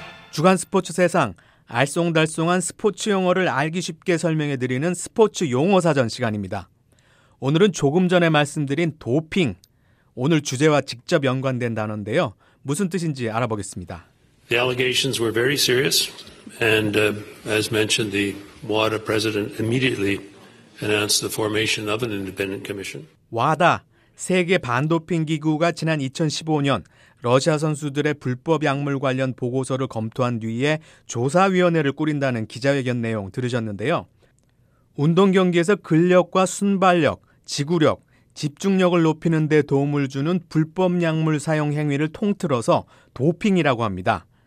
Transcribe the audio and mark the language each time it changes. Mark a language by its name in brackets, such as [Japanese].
[Korean] 주간 스포츠 세상, 알쏭달쏭한 스포츠 용어를 알기 쉽게 설명해드리는 스포츠 용어사전 시간입니다. 오늘은 조금 전에 말씀드린 도핑, 오늘 주제와 직접 연관된 단어인데요. 무슨 뜻인지 알아보겠습니다. [English] The allegations were very serious. And as mentioned, the WADA president immediately announced the formation of an independent commission. [Korean] WADA, 세계 반도핑 기구가 지난 2015년 러시아 선수들의 불법 약물 관련 보고서를 검토한 뒤에 조사위원회를 꾸린다는 기자회견 내용 들으셨는데요. 운동 경기에서 근력과 순발력, 지구력, 집중력을 높이는 데 도움을 주는 불법 약물 사용 행위를 통틀어서 도핑이라고 합니다.